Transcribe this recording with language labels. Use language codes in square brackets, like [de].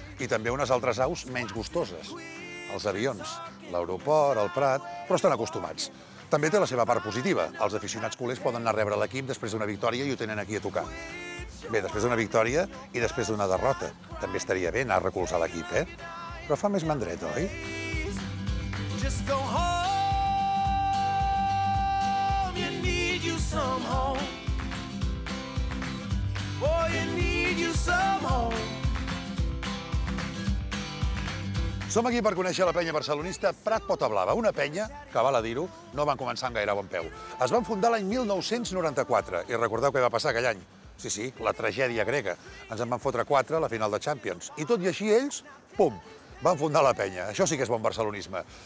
[ca] I també unes altres aus menys gustoses. Els avions, l'aeroport, el Prat... Però estan acostumats. També té la seva part positiva. Els aficionats culers poden anar a rebre l'equip després d'una victòria i ho tenen aquí a tocar. Bé, després d'una victòria i després d'una derrota. També estaria bé anar a recolzar l'equip, Però fa més mandret, oi? [en] Just go home, you need you some home. Boy, you need you some home. [ca] Som aquí per conèixer la penya barcelonista Prat Pota Blava, una penya que, val a dir-ho, no van començar amb gaire bon peu. Es van fundar l'any 1994, i recordeu què va passar aquell any? Sí, sí, la tragèdia grega. Ens en van fotre 4 a la final de Champions. I tot i així, ells, pum, van fundar la penya. Això sí que és bon barcelonisme.